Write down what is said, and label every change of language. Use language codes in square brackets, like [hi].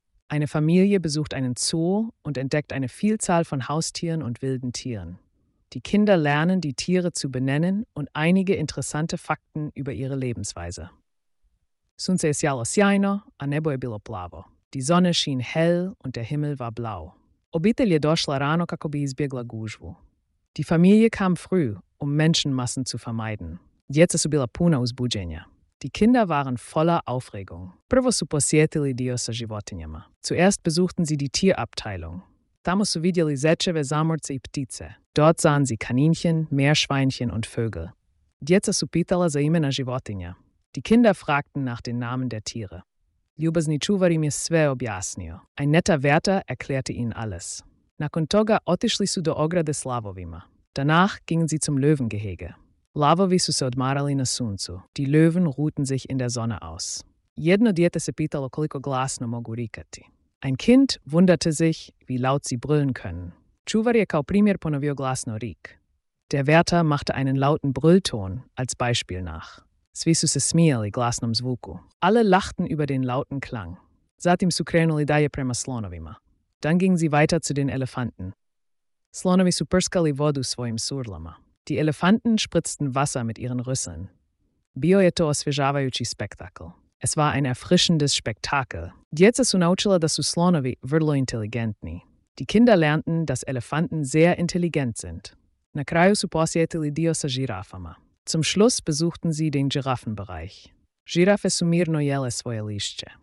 [de] Eine Familie besucht einen Zoo und entdeckt eine Vielzahl von Haustieren und wilden Tieren. Die Kinder lernen, die Tiere zu benennen und einige interessante Fakten über ihre Lebensweise. [hr] Sunce je sjalo sjajno, a nebo je bilo plavo. [de] Die Sonne schien hell und der Himmel war blau. [hr] Obitelj je došla rano kako bi izbjegla gužvu. [de] Die Familie kam früh, um Menschenmassen zu vermeiden. [hr] Djeca su bila puna uzbuđenja. [de] Die Kinder waren voller Aufregung. [hr] Prvo su posjetili dio sa životinjama. [de] Zuerst besuchten sie die Tierabteilung. [hr] Tamo su vidjeli zečeve, zamorce i ptice. [de] Dort sahen sie Kaninchen, Meerschweinchen und Vögel. [hr] Djeca su pitala za imena životinja. [de] Die Kinder fragten nach den Namen der Tiere. [hr] Ljubazni čuvar im je sve objasnio. [de] Ein netter Wärter erklärte ihnen alles. [hr] Nakon toga otišli su do ograde s lavovima. [de] Danach gingen sie zum Löwengehege. [hr] Lavovi su se odmarali na suncu. [de] Die Löwen ruhten sich in der Sonne aus. [hr] Jedno dijete se pitalo koliko glasno mogu rikati. [de] Ein Kind wunderte sich, wie laut sie brüllen können. [hr] Čuvar je kao primjer ponovio glasno rik. [de] Der Wärter machte einen lauten Brüllton als Beispiel nach. [hr] Svi su se smijali glasnom zvuku. [de] Alle lachten über den lauten Klang. [hr] Zatim su krenuli dalje prema slonovima. [de] Dann gingen sie weiter zu den Elefanten. [hr] Slonovi su prskali vodu svojim surlama. [de] Die Elefanten spritzten Wasser mit ihren Rüsseln. [hr] Bio je to osvježavajući spektakl. [de] Es war ein erfrischendes Spektakel. [hr] Djeca su naučila da su slonovi vrlo inteligentni. [de] Die Kinder lernten, dass Elefanten sehr intelligent sind. [hr] Na kraju su posjetili dio sa žirafama. [de] Zum Schluss besuchten sie den Giraffenbereich. [hr] Giraffe su mirno jele svoje lišće.